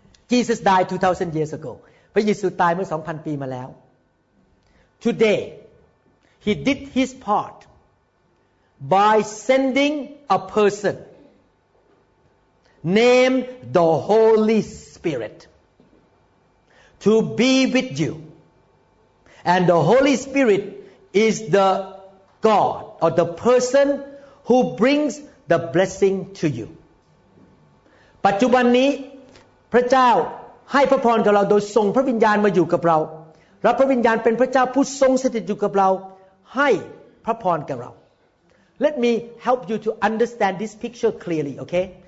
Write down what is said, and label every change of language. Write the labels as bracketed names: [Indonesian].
[English] Jesus died 2000 years ago [Thai] พระเยซูตายเมื่อ 2,000 ปีมาแล้ว [English] TodayHe did his part by sending a person named the Holy Spirit to be with you. And the Holy Spirit is the God or the person who brings the blessing to you. [Thai] ปัจจุบันนี้พระเจ้าให้พระพรกับเราโดยส่งพระวิญญาณมาอยู่กับเราและพระวิญญาณเป็นพระเจ้าผู้ทรงสถิตอยู่กับเราให้พระพรแก่เรา [English] Let me help you to understand this picture clearly, okay?